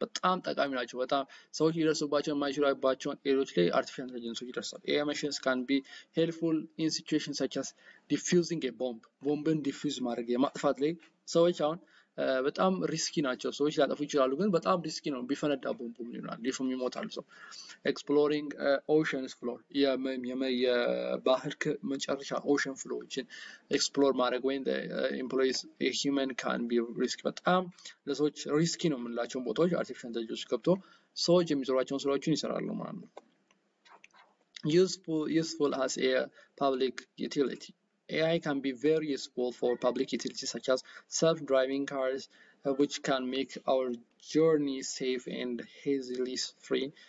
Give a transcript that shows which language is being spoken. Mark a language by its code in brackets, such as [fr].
[am] በጣም ጠቃሚ ናቸው። በጣም ሰዎች ይደርሱባቸው የማይችሉባቸውን ኤሮች ላይ አርቲፊሻል ኢንተለጀንስ ይደርሳል። [en] AI machines can be helpful in situations such as diffusing a bomb. [am] ቦምብን ዲፊውዝ ማድረግ የማጥፋት ላይ ሰዎች አሁን በጣም ሪስኪ ናቸው። ሰዎች ሊያጠፉ ይችላሉ፣ ግን በጣም ሪስኪ ነው። ቢፈነዳ ቦምብ ምን ይሆናል? ሊፉም ይሞታል ሰው። [en] Exploring ocean's floor. [am] የባህር መጨረሻ ocean floor-ን explore ማድረግ ወይ [en] employees a human can be risky. [am] በጣም ለሰዎች ሪስኪ ነው የምንላቸውን ቦታዎች artificial intelligence ገብቶ ሰዎች የሚሰሯቸውን ስራዎችን ይሰራሉ ማለት ነው። [en] Useful as a public utility. AI can be very useful for public utilities such as self-driving cars, which can make our journey safe and hassle-free.